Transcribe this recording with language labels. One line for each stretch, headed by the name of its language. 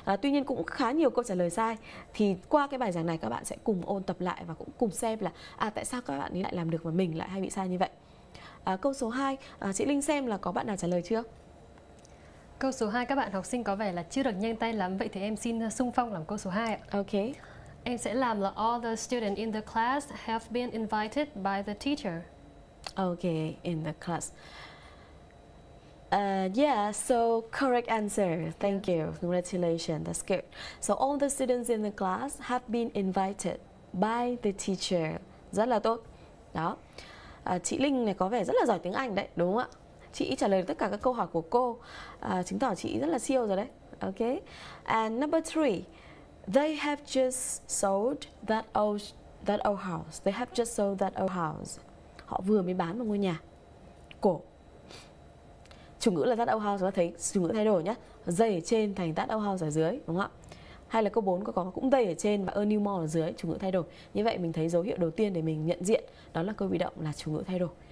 Vietnamese: Tuy nhiên cũng khá nhiều câu trả lời sai. Thì qua cái bài giảng này các bạn sẽ cùng ôn tập lại và cũng cùng xem là tại sao các bạn ấy lại làm được mà mình lại hay bị sai như vậy. Câu số 2, chị Linh xem là có bạn nào trả lời chưa? Câu số 2 các bạn học sinh có vẻ là chưa được nhanh tay lắm, vậy thì em xin xung phong làm câu số 2 ạ.
English: Ok.
Vietnamese: Em sẽ làm là
English: all the students in the class have been invited by the teacher. Ok, in the class. Yeah, so correct answer. Thank you. Congratulations. That's good. So all the students in the class have been invited by the teacher.
Vietnamese: Rất là tốt. Đó. Chị Linh này có vẻ rất là giỏi tiếng Anh đấy, đúng không ạ? Chị trả lời được tất cả các câu hỏi của cô, chứng tỏ chị rất là siêu rồi đấy.
English: Ok. And number 3, they have just sold that old house. They have just sold that old house.
Vietnamese: Họ vừa mới bán một ngôi nhà cổ. Chủ ngữ là
English: that old house,
Vietnamese: chúng ta thấy chủ ngữ thay đổi nhé, they ở trên thành that old house ở dưới, đúng không ạ? Hay là câu 4 có cũng they ở trên và
English: a new mall
Vietnamese: ở dưới, chủ ngữ thay đổi. Như vậy mình thấy dấu hiệu đầu tiên để mình nhận diện đó là câu bị động là chủ ngữ thay đổi.